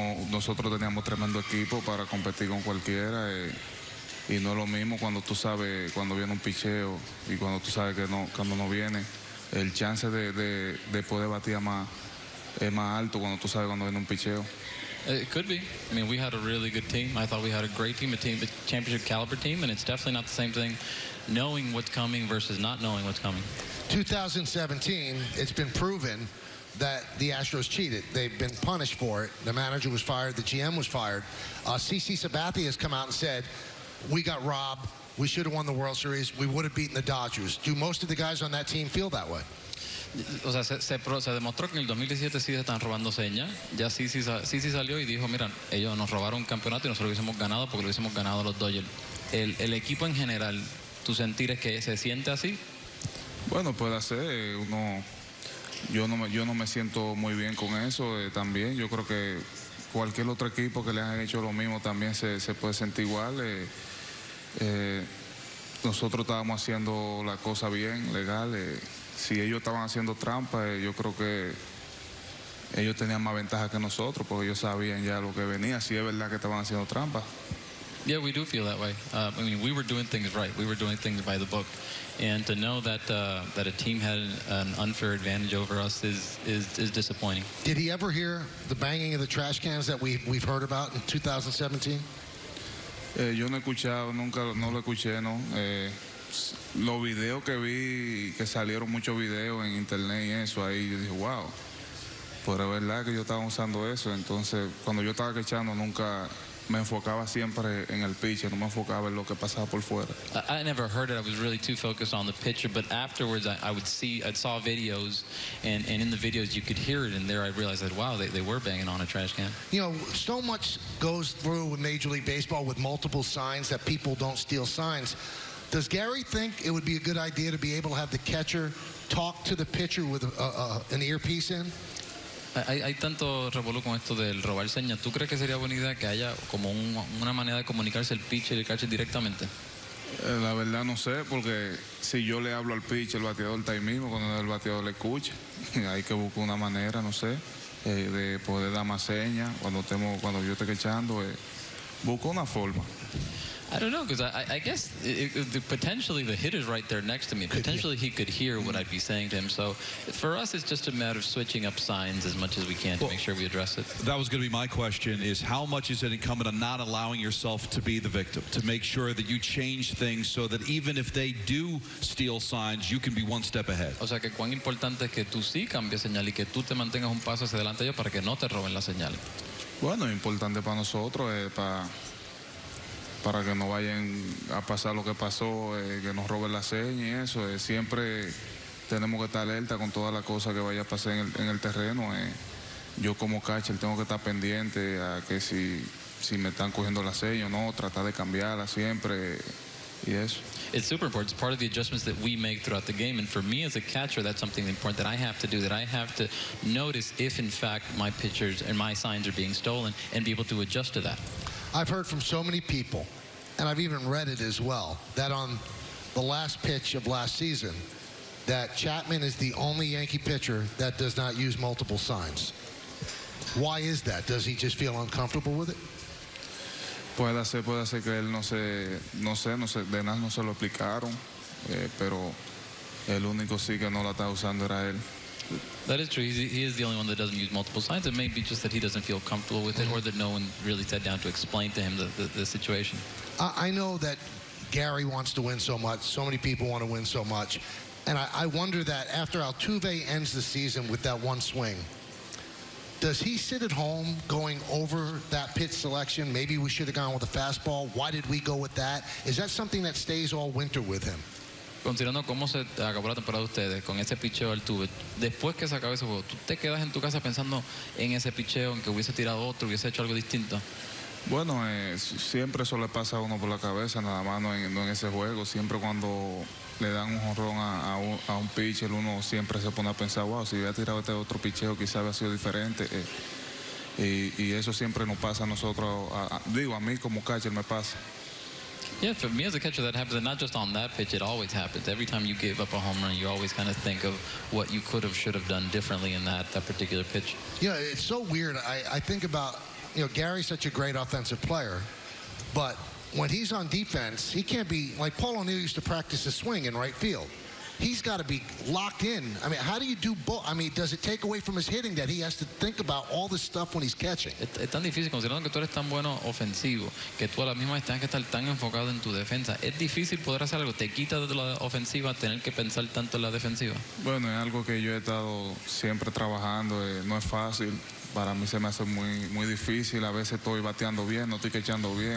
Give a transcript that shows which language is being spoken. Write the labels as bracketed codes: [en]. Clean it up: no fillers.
[es] Nosotros teníamos tremendo equipo para competir con cualquiera. Y no es lo mismo cuando tú sabes, cuando viene un picheo y cuando tú sabes que no, cuando no viene. El chance de poder batir más alto cuando tú sabes cuando viene un picheo. [en] It could be. I mean, we had a really good team. I thought we had a great team, a championship caliber team, and it's definitely not the same thing knowing what's coming versus not knowing what's coming. 2017, it's been proven that the Astros cheated. They've been punished for it. The manager was fired. The GM was fired. CC Sabathia has come out and said, we got robbed. We should have won the World Series. We would have beaten the Dodgers. Do most of the guys on that team feel that way? [es] O sea, se demostró que en el 2017 sí se están robando señas. Ya sí salió y dijo, mira, ellos nos robaron un campeonato y nosotros lo hubiésemos ganado porque lo hubiésemos ganado a los Dodgers. El equipo en general, ¿tu sentir es que se siente así? Bueno, puede ser. Yo no me siento muy bien con eso también. Yo creo que cualquier otro equipo que le han hecho lo mismo también se puede sentir igual. Nosotros estábamos haciendo la cosa bien, legal. Si ellos estaban haciendo trampa, yo creo que ellos tenían más ventaja que nosotros porque ellos sabían ya lo que venía. Si es verdad que estaban haciendo trampa. [en] Yeah, we do feel that way. I mean, we were doing things right. We were doing things by the book. And to know that that a team had an unfair advantage over us is disappointing. Did he ever hear the banging of the trash cans that we've heard about in 2017? [es] Yo no he escuchado, nunca no lo escuché, ¿no? Los videos que vi, que salieron muchos videos en internet y eso, ahí yo dije, wow, pero es verdad que yo estaba usando eso. Entonces, cuando yo estaba quechando, nunca me enfocaba siempre en el pitcher, no me enfocaba en lo que pasaba por fuera. [en] I never heard it, I was really too focused on the pitcher, but afterwards I saw videos, and in the videos you could hear it, and there I realized that, wow, they were banging on a trash can. You know, so much goes through with Major League Baseball with multiple signs that people don't steal signs. Does Gary think it would be a good idea to be able to have the catcher talk to the pitcher with an earpiece in? [es] Hay tanto revuelo con esto del robar señas. ¿Tú crees que sería buena idea que haya como una manera de comunicarse el pitcher y el catcher directamente? La verdad no sé, porque si yo le hablo al pitcher, el bateador está ahí mismo, cuando el bateador le escucha. Hay que buscar una manera, no sé, de poder dar más señas cuando yo esté echando. Busco una forma. [en] I don't know, because I guess potentially the hitter's right there next to me. Potentially he could hear what I'd be saying to him. So for us, it's just a matter of switching up signs as much as we can to make sure we address it. That was going to be my question, is how much is it incumbent on not allowing yourself to be the victim, to make sure that you change things so that even if they do steal signs, you can be one step ahead. [es] O sea, que cuán importante es que tú sí cambies señal y que tú te mantengas un paso hacia adelante yo para que no te roben la señal. Bueno, importante para nosotros es para que no vayan a pasar lo que pasó, que nos roben la seña y eso. Siempre tenemos que estar alerta con todas las cosas que vaya a pasar en el terreno. Yo como catcher tengo que estar pendiente a que si me están cogiendo la seña o no, tratar de cambiarla siempre. [en] Yes. It's super important. It's part of the adjustments that we make throughout the game. And for me as a catcher, that's something important that I have to do, that I have to notice if, in fact, my pitchers and my signs are being stolen and be able to adjust to that. I've heard from so many people, and I've even read it as well, that on the last pitch of last season, that Chapman is the only Yankee pitcher that does not use multiple signs. Why is that? Does he just feel uncomfortable with it? [es] Puede ser que él no sé, de nada no se lo explicaron, pero el único sí que no la está usando era él. [en] That is true. He is the only one that doesn't use multiple signs. It may be just that he doesn't feel comfortable with it, or that no one really sat down to explain to him the situation. I know that Gary wants to win so much. So many people want to win so much. And I wonder that after Altuve ends the season with that one swing, does he sit at home going over that pitch selection? Maybe we should have gone with a fastball. Why did we go with that? Is that something that stays all winter with him? [es] Considerando cómo se acabó la temporada de ustedes con ese picheo del tuve, después que se acabó ese juego, ¿tú te quedas en tu casa pensando en ese picheo, en que hubiese tirado otro, hubiese hecho algo distinto? Bueno, siempre eso le pasa a uno por la cabeza, nada más no en ese juego. Siempre cuando le dan un jonrón a un pitcher, uno siempre se pone a pensar, wow, si hubiera tirado este otro picheo, quizás hubiera sido diferente. Y eso siempre nos pasa a nosotros, a mí como catcher me pasa. [en] Yeah, for me as a catcher, that happens, and not just on that pitch, it always happens. Every time you give up a home run, you always kind of think of what you could have, should have done differently in that particular pitch. Yeah, it's so weird. I think about, Gary's such a great offensive player, but when he's on defense, he can't be, like Paul O'Neill used to practice a swing in right field. He's got to be locked in. I mean, how do you do both? I mean, does it take away from his hitting that he has to think about all this stuff when he's catching? [es] Es tan difícil, considerando que tú eres tan bueno ofensivo, que tú a la misma tienes que estar tan enfocado en tu defensa. Es difícil poder hacer algo. Te quita de la ofensiva tener que pensar tanto en la defensiva. Bueno, es algo que yo he estado siempre trabajando. No es fácil. Para mí se me hace muy, muy difícil. A veces estoy bateando bien, no estoy echando bien.